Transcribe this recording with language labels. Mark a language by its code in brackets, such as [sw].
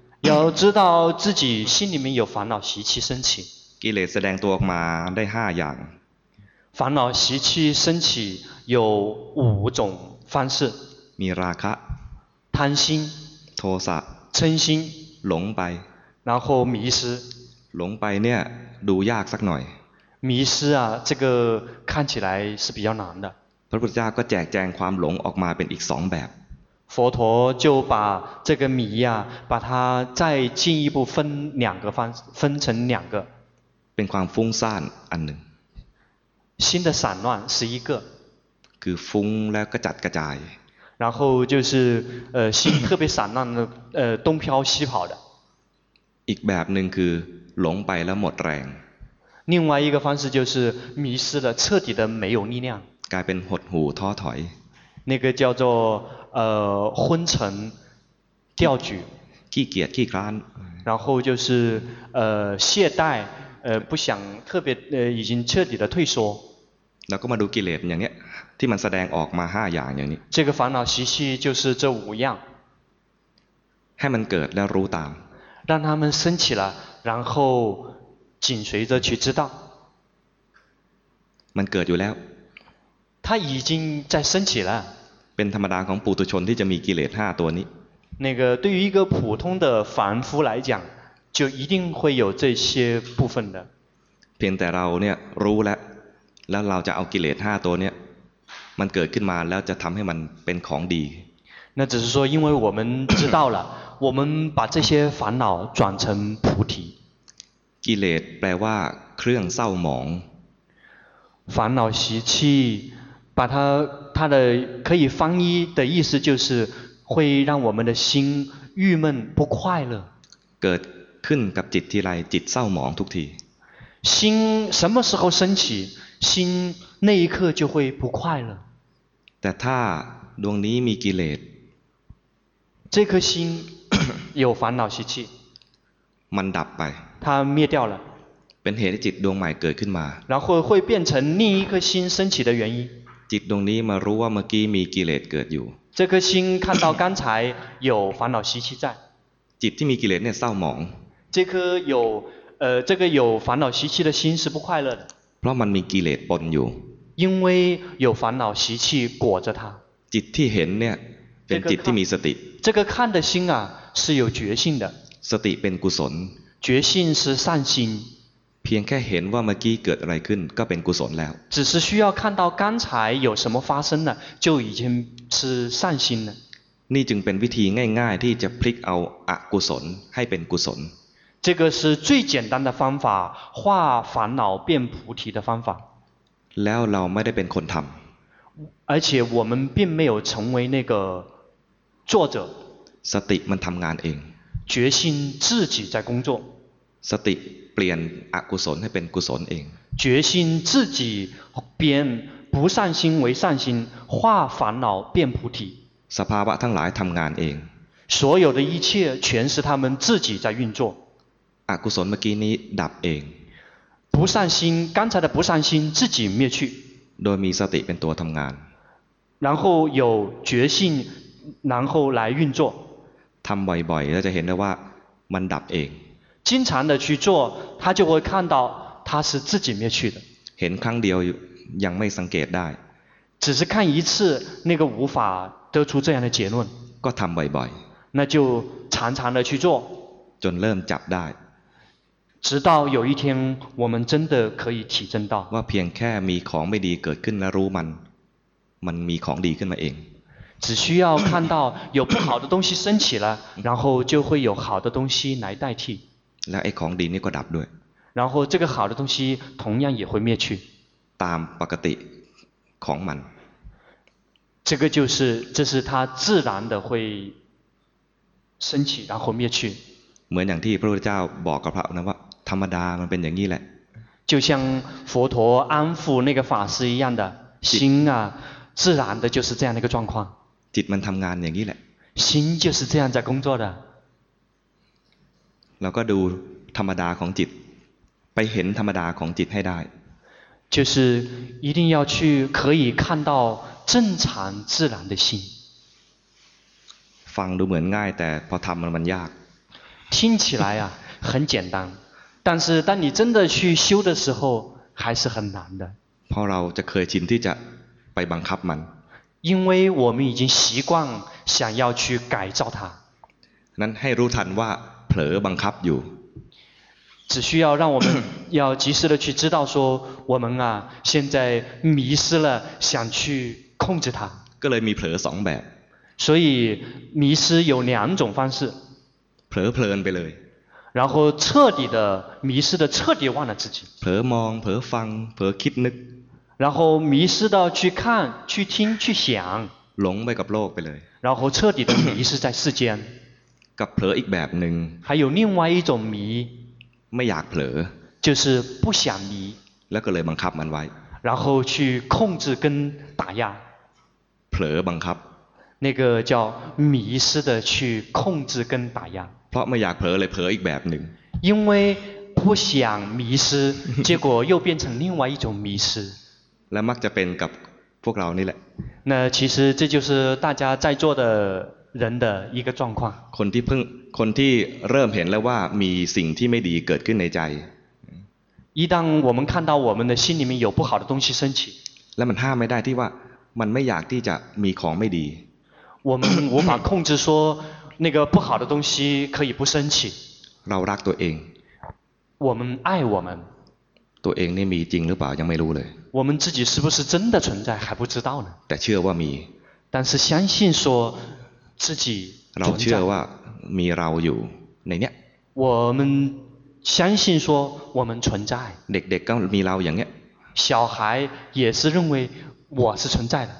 [zh] 要知道自己心里面有烦恼习气升起 [th] กิเลสแสดงตัวออกมาได้5อย่าง [zh] 烦恼习气升起有五种方式 [th] มีราคะ [zh] 贪心 [th] โทสะ [zh] 嗔心 [th] หลงไป [zh] 然后迷失 [th] หลงไปเนี่ยดูยากสักหน่อย [zh] 迷失啊这个看起来是比较难的 [th] พระพุทธเจ้าก็แจกแจงความหลงออกมาเป็นอีก2แบบ [zh] 佛陀就把这个迷啊把它再进一步分两个方分成两个 [th] เป็นความฟุ้งซ่านอันหนึ่ง [zh] 心的散乱是一个 [th] คือฟุ้งแล้วก็จัดกระจาย [zh] 然后就是心特别散乱的东飘西跑的 [th] อีกแบบนึงคือหลงไปแล้วหมดแรง [zh] 另外一个方式就是迷失了，彻底的没有力量。 [th] กลายเป็นหดหู่ท้อถอย。 [zh] 那个叫做昏沉掉举。 [th] ขี้เกียจขี้คร้าน。 [zh] 然后就是懈怠不想特别已经彻底的退缩。 [th] เราก็มาดูกิเลสอย่างนี้ที่มันแสดงออกมา5อย่างอย่างนี้ [zh] 这个烦恼习气就是这五样 [th] ให้มันเกิดแล้วรู้ตาม [zh] 让他们升起了然后紧随着去知道 [th] มันเกิดอยู่แล้ว [zh] 它已经在升起了 [th] เป็นธรรมดาของปุถุชนที่จะมีกิเลส5ตัวนี้ [zh] 那个对于一个普通的凡夫来讲就一定会有这些部分的 [th] เพียงแต่เราเนี่ยรู้แล้วเราจะเอากิเลส5ตัวเนี่ยมันเกิดขึ้นมาแล้วจะทำให้มันเป็นของดี [zh] 那只是说因为我们知道了我们把这些烦恼转成菩提 [th] กิเลสแปลว่าเครื่องเศร้าหมอง [zh] 烦恼习气把它的可以翻译的意思就是会让我们的心郁闷不快乐 [th] เกิดขึ้นกับจิตทีไรจิตเศร้าหมองทุกที [zh] 心什么时候升起心那一刻就会不快乐 [th] แต่ถ้าดวงนี้มีกิเลส [zh] 这颗心有烦恼习气 [th] มันดับไป [zh] 它灭掉了 [th] เป็นเหตุให้จิตดวงใหม่เกิดขึ้นมา [zh] 然后会变成另一颗心升起的原因 [th] จิตดวงนี้มารู้ว่าเมื่อกี้มีกิเลสเกิดอยู่ [zh] 这颗心看到刚才有烦恼习气在 [th] จิตที่มีกิเลสเนี่ยเศร้าหมอง [zh] 这颗有这个有烦恼习气的心是不快乐的 [th] เพราะมันมีกิเลสปนอยู่ [zh] 因为有烦恼习气裹着它 [th] จิตที่เห็นเนี่ยเป็นจิตที่มีสติ [zh] 这个看的心啊是有觉性的 [th] สติเป็นกุศล [zh] 觉性是善心 [th] เพียงแค่เห็นว่าเมื่อกี้เกิดอะไรขึ้นก็เป็นกุศลแล้ว [zh] 只是需要看到刚才有什么发生了就已经是善心了 [th] นี่จึงเป็นวิธีง่ายๆที่จะพลิกเอาอกุศลให้เป็นกุศล [zh] 这个是最简单的方法化烦恼变菩提的方法 [th] แล้วเราไม่ได้เป็นคนทำ [zh] 而且我们并没有成为那个作者 [th] สติมันทำงานเอง [zh] 决心自己在工作 [th] สติเปลี่ยนอกุศลให้เป็นกุศลเอง [zh] 决心自己变不善心为善心化烦恼变菩提 [th] สภาวะทั้งหลายทำงานเอง [zh] 所有的一切全是他们自己在运作 [th] อกุศลเมื่อกี้นี้ดับเอง [zh] 不善心刚才的不善心自己灭去 [th] โดยมีสติเป็นตัวทำงาน [zh] 然后有觉性然后来运作 [th] ทำบ่อยๆแล้วจะเห็นได้ว่ามันดับเอง [zh] 经常的去做他就会看到他是自己灭去的 [th] เห็นครั้งเดียวยังไม่สังเกตได้ [zh] 只是看一次那个无法得出这样的结论 [th] ก็ทำบ่อย [zh] ๆ那就常常的去做 [th] จนเริ่มจับได้ [zh] 直到有一天我们真的可以体证到 [th] ว่าเพียงแค่มีของไม่ดีเกิดขึ้นแล้วรู้มันมีของดีขึ้นมาเอง [zh] 只需要看到有不好的东西升起了然后就会有好的东西来代替 [th] และไอ้ของดีนี่ก็ดับด้วย [zh] 然后这个好的东西同样也会灭去 [th] ตามปกติของมัน [zh] 这个就是这是它自然的会升起然后灭去 [th] เหมือนอย่างที่พระพุทธเจ้าบอกกับพระนะว่าธรรมดามันเป็นอย่างนี้แหละ [zh] 就像佛陀安抚那个法师一样的心啊自然的就是这样的一个状况 [th] จิตมันทำงานอย่างนี้แหละ [zh] 心就是这样在工作的 [th] เราก็ดูธรรมดาของจิตไปเห็นธรรมดาของจิตให้ได้ [zh] 就是一定要去可以看到正常自然的心 [th] ฟังดูเหมือนง่ายแต่พอทำมันยาก [zh] 听起来啊很简单但是当你真的去修的时候还是很难的 [th] เพราะเราจะเคยชินที่จะไปบังคับมัน [zh] 因为我们已经习惯想要去改造它 [th] นั้นให้รู้ทันว่าเผลอบังคับอยู่ [zh] 只需要让我们要及时的去知道说我们啊现在迷失了想去控制它 [th] ก็เลยมีเผลอ2แบบ [zh] 所以迷失有两种方式 [th] เผลอๆไปเลย [zh] 然后彻底的迷失的彻底忘了自己 [th] เผลอมองเผลอฟังเผลอคิดนึก [zh] 然后迷失到去看去听去想 [th] หลงไปกับโลกไปเลย [zh] 然后彻底的迷失在世间 [th] กับเผลออีกแบบนึง [zh] 还有另外一种迷 [th] ไม่อยากเผล [zh] 就是不想迷 [th] แล้วก็เลยบังคับมันไว้ [zh] 然后去控制跟打压 [th] เผลอบังคับ [zh] 那个叫迷失的去控制跟打压 [th] เพราะไม่อยากเผลอเลยเผลออีกแบบหนึ่ง [zh] 因为不想迷失结果又变成另外一种迷失 [th] และมักจะเป็นกับพวกเรานี่แหละ [zh] 那其实这就是大家在座的人的一个状况 [th] คนที่เพิ่งคนที่เริ่มเห็นแล้วว่ามีสิ่งที่ไม่ดีเกิดขึ้นในใจ [zh] 一旦我们看到我们的心里面有不好的东西升起 [th] แล้วมันห้ามไม่ได้ที่ว่ามันไม่อยากที่จะมีของไม่ดี [zh] 我们无法控制说那个不好的东西可以不升起 [th] เรารักตัวเอง [zh] 我们爱我们 [th] ตัวเองนี่มีจริงหรือเปล่ายังไม่รู้เลย [zh] 我们自己是不是真的存在还不知道呢 [th] แต่เชื่อว่ามี [zh] 但是相信说自己 [th] เราเชื่อว่ามีเราอยู่ในเนี้ย [zh] 我们相信说我们存在 [th] เด็กๆก็มีเราอย่างเนี้ย [zh] 小孩也是认为我是存在的